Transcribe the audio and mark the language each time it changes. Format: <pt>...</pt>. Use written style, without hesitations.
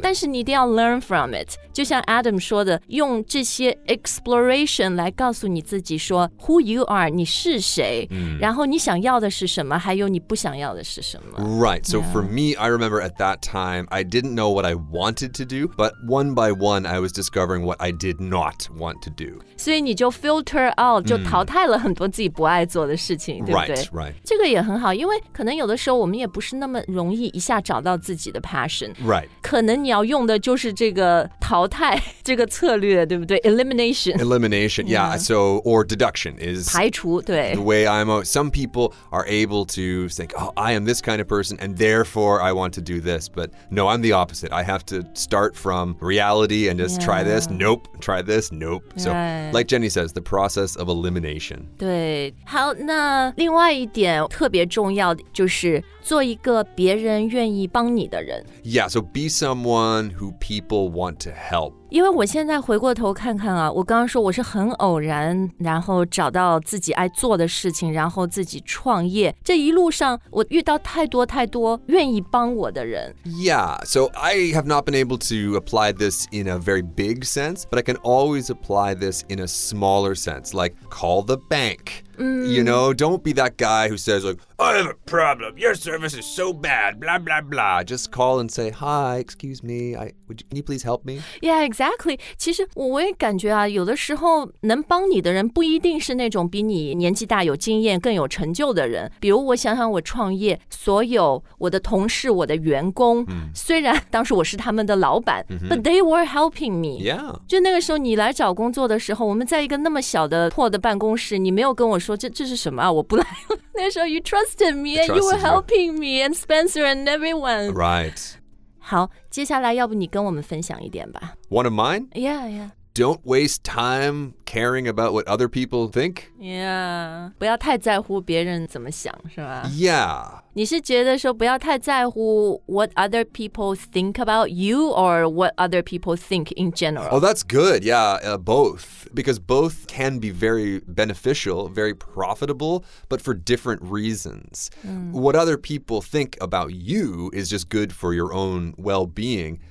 <zh>但是你一定要</zh> <en>learn from it.</en> <zh>就像 Adam 说的，用这些 exploration 来告诉你自己说</zh> <en>who you are,</en> <zh>你是谁、然后你想要的是什么，还有你不想要的是什么。</zh> <en>Right, so、for me, I remember at that time, I didn't know what I wanted to do, but one by one, I was discovering what I did not want to do.</en> <zh>所以你就</zh> <en>filter out,、</en> <zh>就淘汰了很多自己不爱做的事情，对不对？</zh> <en>Right, right.</en> <zh>这个也很好，因为可能有的时候我们也不是那么容易一下找到自己的 passion.</zh> <en>Right.</en> <zh>可能你要用的就是这个淘汰这个策略，对不对？</zh> <en>Elimination. Elimination, yeah. So, or deduction is</en> <zh>排除，对。</zh> <en>The way I'm, some people are able to think, oh, I am this kind of person, and therefore I want to do this, but no, I'm the opposite. I have to start from reality and just try this, nope, try this, nope. So, like Jenny says, the process of elimination.</en> <zh>对，好，那另外一点特别重要的就是做一个别人愿意帮你的人。</zh> <en>Yeah, so be someone who people want to help.</en> <zh>因为我现在回过头看看啊，我刚刚说我是很偶然，然后找到自己爱做的事情，然后自己创业。这一路上我遇到太多太多愿意帮我的人。</zh> <en>Yeah, so I have not been able to apply this in a very big sense, but I can always apply this in a smaller sense, like call the bank. You know, don't be that guy who says, like, I have a problem, your service is so bad, blah, blah, blah. Just call and say, hi, excuse me, can you please help me? Yeah, exactly.</en> <zh>其实我也感觉啊，有的时候能帮你的人不一定是那种比你年纪大、有经验、更有成就的人。比如我想想我创业，所有我的同事、我的员工，虽然当时我是他们的老板，</zh> <en>but they were helping me. Yeah.</en> <zh>就那个时候你来找工作的时候，我们在一个那么小的破的办公室，你没有跟我说这是什么啊，我不来了。那时候</zh> <en>you trusted me and you were helping me and Spencer and everyone. Right.</en> <zh>好，接下来要不你跟我们分享一点吧。</zh> <en>One of mine? Yeah, yeah. Don't waste time caring about what other people think. Yeah.</en> <zh>不要太在乎别人怎么想，是吧？</zh> <en>Yeah.</en> <zh>你是觉得说不要太在乎</zh> <en>what other people think about you or what other people think in general? Oh, that's good. Yeah, both. Because both can be very beneficial, very profitable, but for different reasons. What other people think about you is just good for your own well-being.</en>